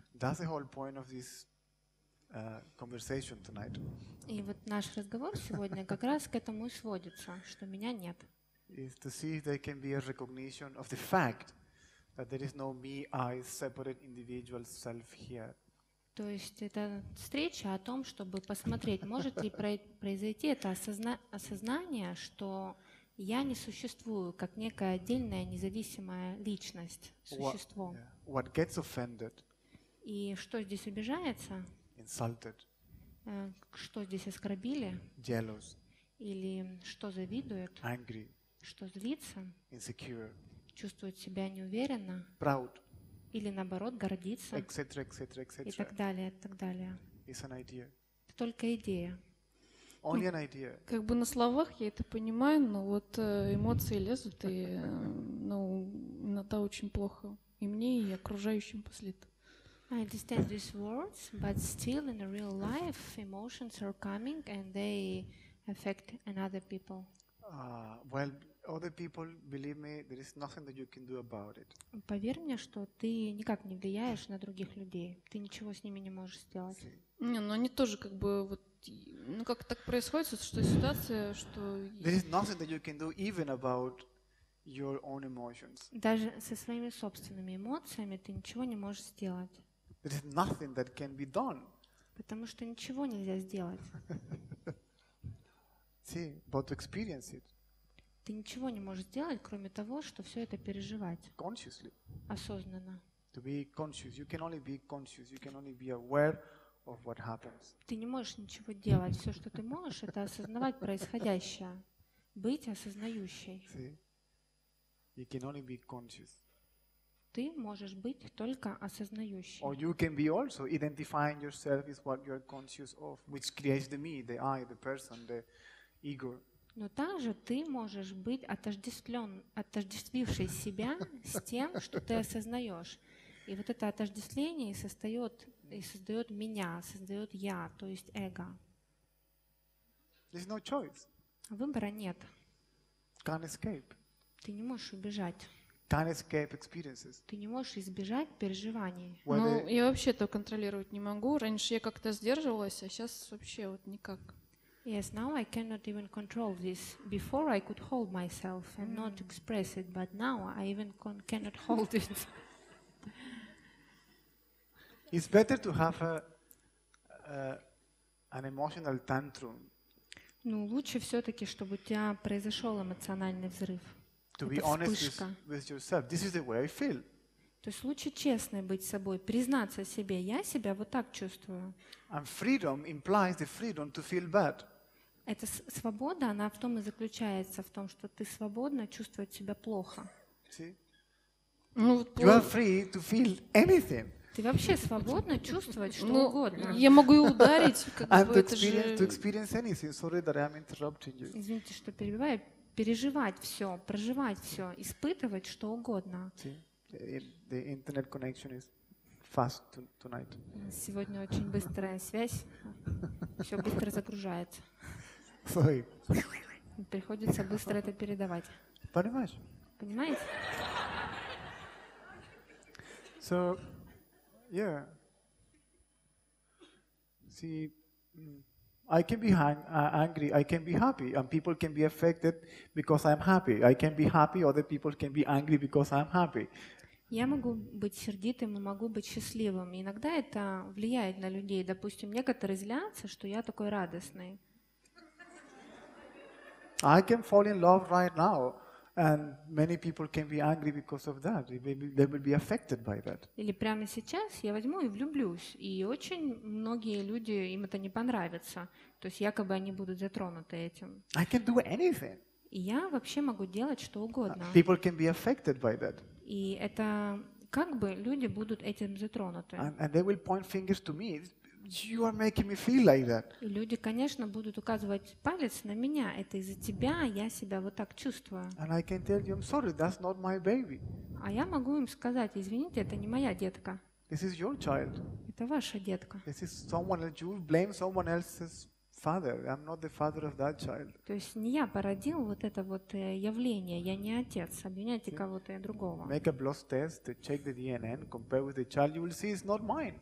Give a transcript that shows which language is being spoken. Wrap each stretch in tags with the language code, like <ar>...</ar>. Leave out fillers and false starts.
<en>That's the whole point of this conversation tonight.</en> <ru>И вот наш разговор сегодня как раз к этому и сводится, что меня нет.</ru> <en>Is to see if there can be a recognition of the fact that there is no me, I, separate individual self here.</en> <ru>То есть это встреча о том, чтобы посмотреть, может ли произойти это осознание, что я не существую как некая отдельная независимая личность, существо.</ru> <en>What gets offended?</en> <ru>И что здесь обижается?</ru> <en>Insulted.</en> <ru>Что здесь оскорбили?</ru> <en>Jealous.</en> <ru>Или что завидует?</ru> <en>Angry.</en> <ru>Что злится,</ru> <en>insecure,</en> <ru>чувствует себя неуверенно,</ru> <en>proud,</en> <ru>или наоборот гордится,</ru> <en>et cetera, et cetera, et cetera.</en> <ru>И так далее, и так далее.</ru> <en>It's an idea.</en> <ru>Это только идея.</ru> <en>Only an idea.</en> <ru>Как бы на словах я это понимаю, но вот эмоции лезут, и иногда очень плохо и мне, и окружающим после этого.</ru> <en>I understand these words, but still in real life emotions are coming and they affect another people. Well, other people, believe me, there is nothing that you can do about it.</en> <ru>Поверь мне, что ты никак не влияешь на других людей. Ты ничего с ними не можешь сделать. Не, но они тоже как бы вот, ну как так происходит, что ситуация, что.</ru> <en>There is nothing that you can do even about your own emotions.</en> <ru>Даже со своими собственными эмоциями ты ничего не можешь сделать.</ru> <en>There is nothing that can be done.</en> <ru>Потому что ничего нельзя сделать.</ru> <en>See, but experience it.</en> <ru>Ты ничего не можешь сделать, кроме того, что все это переживать.</ru> <en>Consciously.</en> <ru>Осознанно.</ru> <en>To be conscious. You can only be conscious. You can only be aware of what happens.</en> <ru>Ты не можешь ничего делать. Все, что ты можешь, это осознавать происходящее. Быть осознающей.</ru> <en>See? You can only be conscious.</en> <ru>Ты можешь быть только осознающим.</ru> <en>Or you can be also identifying yourself as what you're conscious of, which creates the me, the I, the person, the ego.</en> <ru>Но также ты можешь быть отождествивший себя с тем, что ты осознаешь. И вот это отождествление создает меня, создает я, то есть эго.</ru> <en>There's no choice.</en> <ru>Выбора нет.</ru> <en>Can't escape.</en> <ru>Ты не можешь убежать.</ru> <en>Танецкие experiences.</en> <ru>Ты не можешь избежать переживаний. Ну, я вообще это контролировать не могу. Раньше я как-то сдерживалась, а сейчас вообще вот никак.</ru> <en>Yes, now I cannot even control this. Before I could hold myself and not express it, but now I even cannot hold it. It's better to have an emotional tantrum.</en> <ru>Ну, лучше все-таки, чтобы у тебя произошел эмоциональный взрыв.</ru> <en>To be honest with yourself, this is the way I feel.</en> <ru>То есть лучше честно быть собой, признаться себе, я себя вот так чувствую.</ru> <en>And freedom implies the freedom to feel bad.</en> <ru>Эта свобода, она в том и заключается, в том, что ты свободна чувствовать себя плохо. Ну, вот</ru> <en>you are free to feel anything.</en> <ru>Ты вообще свободна чувствовать что угодно. Я могу и ударить, Извините, что перебиваю. Переживать все, проживать все, испытывать что угодно.</ru> <en>The internet connection is fast tonight.</en> <ru>Сегодня очень быстрая связь, все быстро загружается.</ru> <en>Sorry.</en> <ru>Приходится быстро это передавать. Понимаешь? Понимаете?</ru> <en>So, yeah. See, I can be angry, I can be happy, and people can be affected because I'm happy. I can be happy, other people can be angry because I'm happy.</en> <ru>Я могу быть сердитым, но могу быть счастливым. Иногда это влияет на людей. Допустим, некоторые злятся, что я такой радостный.</ru> <en>I can fall in love right now, and many people can be angry because of that. They will be affected by that.</en> <ru>Или прямо сейчас я возьму и влюблюсь, и очень многие люди им это не понравится. То есть якобы они будут затронуты этим.</ru> <en>I can do anything.</en> <ru>И я вообще могу делать что угодно.</ru> <en>People can be affected by that.</en> <ru>И это как бы люди будут этим затронуты.</ru> <en>And they will point fingers to me. You are making me feel like that.</en> <ru>И люди, конечно, будут указывать палец на меня. Это из-за тебя я себя вот так чувствую.</ru> <en>And I can tell you, I'm sorry, that's not my baby.</en> <ru>А я могу им сказать, извините, это не моя детка.</ru> <en>This is your child.</en> <ru>Это ваша детка.</ru> <en>This is someone else. You blame someone else's father. I'm not the father of that child.</en> <ru>То есть не я породил вот это вот явление. Я не отец. Обвиняйте кого-то другого.</ru> <en>Make a blood test, check the DNA, compare with the child. You will see it's not mine.</en>